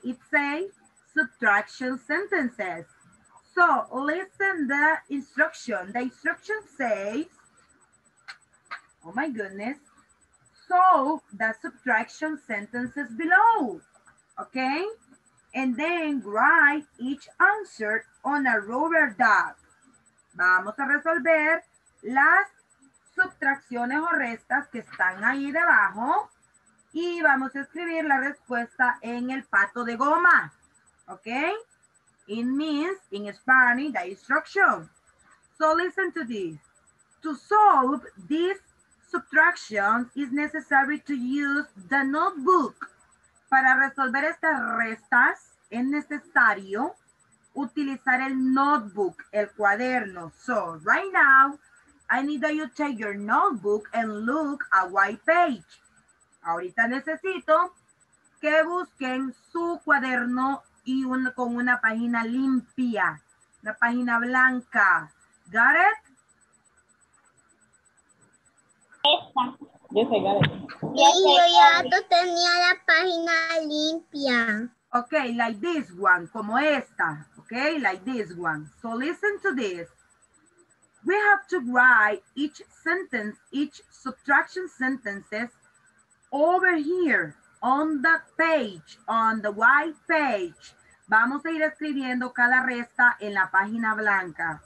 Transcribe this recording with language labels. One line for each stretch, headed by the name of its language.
English: It says subtraction sentences. So, listen to the instruction. The instruction says, oh my goodness, solve the subtraction sentences below, okay? And then write each answer on a rubber duck.
Spanish: Vamos a resolver las subtracciones o restas que están ahí debajo y vamos a escribir la respuesta en el pato de goma.
English: Ok? It means, in Spanish, the instruction. So listen to this. To solve this subtraction, is necessary to use the notebook.
Spanish: Para resolver estas restas, es necesario utilizar el notebook, el cuaderno.
English: So, right now, I need that you take your notebook and look a white page.
Spanish: Ahorita necesito que busquen su cuaderno y con una página limpia, una página blanca.
English: Got it?
Spanish: Esta. Yo sé,
English: got it.
Spanish: Yo ya tenía la página limpia.
English: Okay, like this one,
Spanish: como esta.
English: Okay, like this one. So listen to this. We have to write each sentence, each subtraction sentences over here on the page, on the white page.
Spanish: Vamos a ir escribiendo cada resta en la página blanca.